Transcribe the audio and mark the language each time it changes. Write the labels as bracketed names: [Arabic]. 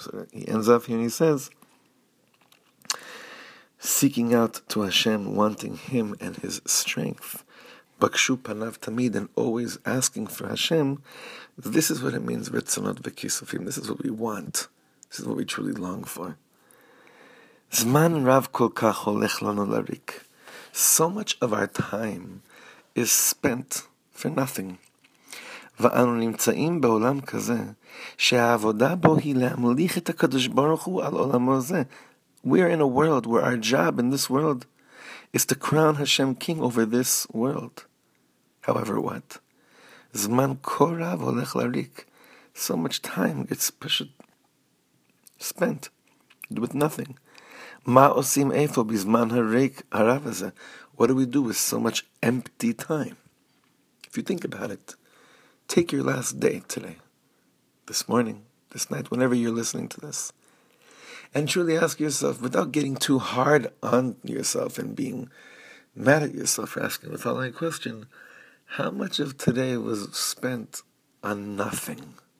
[English] So he ends up here and he says, seeking out to Hashem, wanting Him and His strength, [Hebrew] bakshufanav tamid, [English] and always asking for Hashem, this is what it means, [Hebrew] retzonot v'kisufim. [English] This is what we want. This is what we truly long for. [Hebrew] Zman rav kol kach holech lanu larik. [English] So much of our time is spent for nothing. [Hebrew] ואנו נמצאים בעולם כזה שהעבודה בו היא להמליך את הקדוש ברוך הוא על עולמו זה. [English] We are in a world where our job in this world is to crown Hashem king over this world. However what? [Hebrew] זמן כה רב הולך לריק. [English] So much time gets pushed, spent with nothing. [Hebrew] מה עושים איפה בזמן הריק הרב הזה? [English] What do we do with so much empty time? If you think about it, take your last day today, this morning, this night, whenever you're listening to this, and truly ask yourself, without getting too hard on yourself and being mad at yourself for asking the following question, how much of today was spent on nothing?